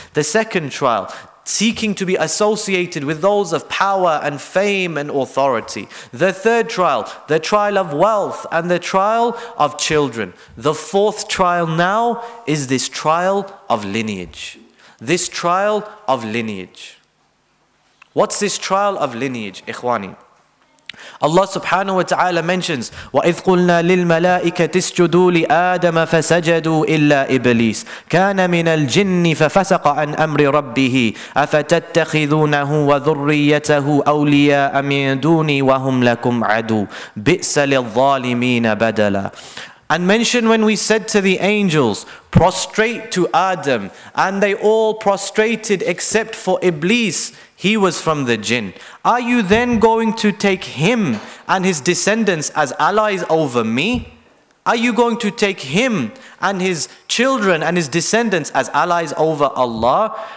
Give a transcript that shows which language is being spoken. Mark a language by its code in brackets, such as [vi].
[en] The second trial, seeking to be associated with those of power and fame and authority. The third trial, the trial of wealth and the trial of children. The fourth trial now is this trial of lineage. This trial of lineage. What's this trial of lineage, Ikhwani? [ar] Allah subhanahu wa ta'ala mentions, وَإِذْ قُلْنَا لِلْمَلَائِكَةِ اسْجُدُوا لِآدَمَ فَسَجَدُوا إِلَّا إِبْلِيسِ كَانَ مِنَ الْجِنِّ فَفَسَقَ عَنْ أَمْرِ رَبِّهِ أَفَتَتَّخِذُونَهُ وَذُرِّيَّتَهُ أَوْلِيَاءَ مِنْ دُونِي وَهُمْ لَكُمْ عَدُوا بِئْسَ لِلظَّالِمِينَ بَدَلًا. [en] And mention when we said to the angels, prostrate to Adam, and they all prostrated except for Iblis. He was from the jinn. Are you then going to take him and his descendants as allies over me? Are you going to take him and his children and his descendants as allies over Allah?